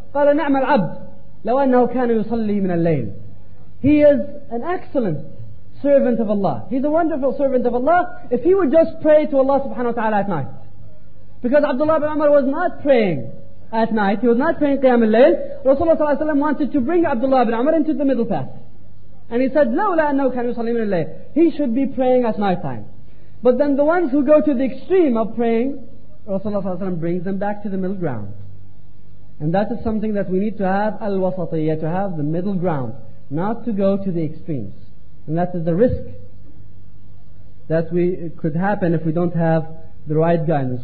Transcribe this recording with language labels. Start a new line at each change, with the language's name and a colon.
Arabic: قَالَ نَعْمَ الْعَبْدِ لَوَ أَنَّهُ كَانَ يُصَلِّي مِنَ اللَّيْلِ.
English: He is an excellent servant of Allah. He's a wonderful servant of Allah if he would just pray to Allah subhanahu wa ta'ala at night. Because Abdullah ibn Umar was not praying at night. He was not praying Qiyam al-Layl. Rasulullah sallallahu alayhi wa sallam wanted to bring Abdullah ibn Umar into the middle path. And he said,
Arabic: لَوْ لَا أَنَّهُ كَانَ يُصَلِّي مِنَ اللَّيْلِ.
English: He should be praying at night time. But then the ones who go to the extreme of praying, Rasulullah sallallahu alayhi wa sallam brings them back to the middle ground. And that is something that we need to have, al-wasatiyah, to have the middle ground. Not to go to the extremes. And that is the risk that we could happen if we don't have the right guidance.